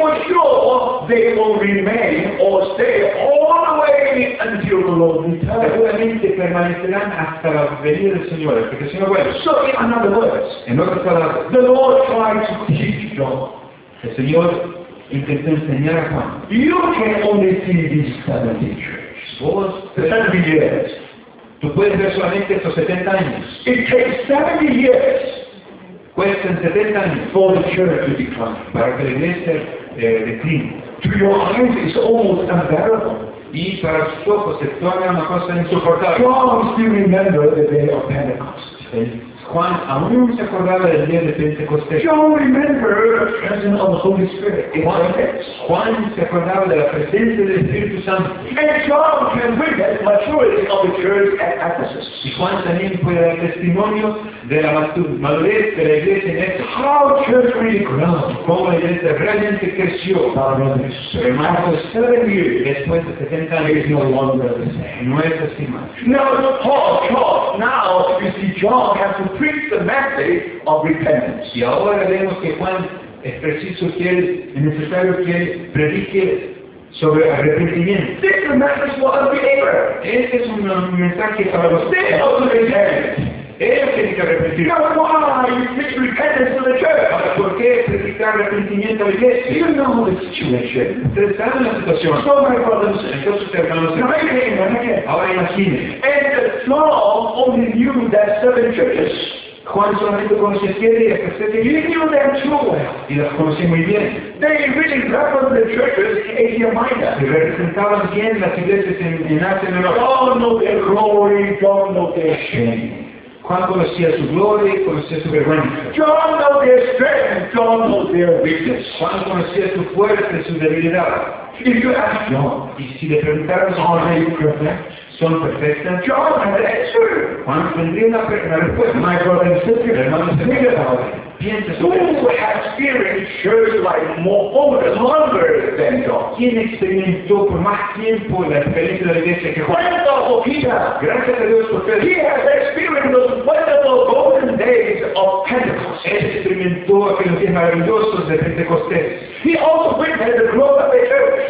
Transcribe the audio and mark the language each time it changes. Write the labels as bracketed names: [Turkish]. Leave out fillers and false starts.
[English] for sure, they will remain or stay all the way until the Lord returns. [Spanish] Seguramente permanecerán hasta la venida del Señor, porque si no vuelve. [English] So in other words, [Spanish] en otras palabras, [English] the Lord tried to teach John. [Spanish] El Señor intentó enseñar a Juan. [English] You can only see these 70 churches. [Spanish] Vos, [English] 70 years. [Spanish] Tú puedes ver solamente estos 70 años. [English] It takes 70 years. [Spanish] Cuestan 70 años. [English] For the church to decline. [Spanish] Para que la iglesia decline. [English] To your eyes, it's almost unbearable. [Spanish] Y para sus ojos se torna una cosa insoportable. [English] John still remember the day of Pentecost. [Spanish] Juan aún se acordaba del día de Pentecostés. [English] John remember the presence of the Holy Spirit. [Spanish] Juan se acordaba de la presencia del Espíritu Santo. [English] And John can witness the maturity of the church at Ephesus. [Spanish] Y Juan también puede dar testimonio de la madurez de la iglesia en Éfeso. [English] How church really grew. [Spanish] Cómo la iglesia realmente creció. [English] After 7 years, [Spanish] después de 70 años, [English] no longer the same. [Spanish] No es así más. [English] Now, now you see John has to preach the message of repentance. [Spanish] Y ahora vemos que Juan es preciso que él, es necesario que él predique sobre arrepentimiento. [English] This is a message for unbeliever. [Spanish] Este es un mensaje para los creyentes. Ellos tienen que arrepentir. [English] Now why you preach repentance to the church? [Spanish] ¿Por qué predicar arrepentimiento a la iglesia? [English] You know the situation. [Spanish] Ustedes saben la situación. [English] So my brothers, [Spanish] entonces hermanos, ahora imagínense. [English] And the Lord only knew that seven churches. [Spanish] Juan solamente conocía siete y estas siete. [English] He knew them too well. [Spanish] Y las conocía muy bien. [English] They really represent the churches in Asia Minor. [Spanish] Y representaban bien las iglesias en Asia Menor. [English] God knows their glory, God knows their shame. [Spanish] Juan conocía su gloria y conocía su vergüenza. [English] John knows their strength, John knows their weakness. [Spanish] Juan conocía su fuerza y su debilidad. [English] If you ask John, [Spanish] y si le preguntaras, [English] are you perfect? [Spanish] Son perfectas. [English] John has an answer. [Spanish] Juan tendría una respuesta. [English] My brother and sister, [Spanish] hermanos, [English] think about it. [Spanish] Piensa sobre eso. [English] Who has experienced church life more over longer than John? [Spanish] ¿Quién experimentó por más tiempo la experiencia de la iglesia que Juan? Gracias a Peter. Gracias a Dios por Pedro. [English] He has experienced those wonderful golden days of Pentecost. [Spanish] Él experimentó aquellos días maravillosos de Pentecostés. [English] He also witnessed the growth of the church.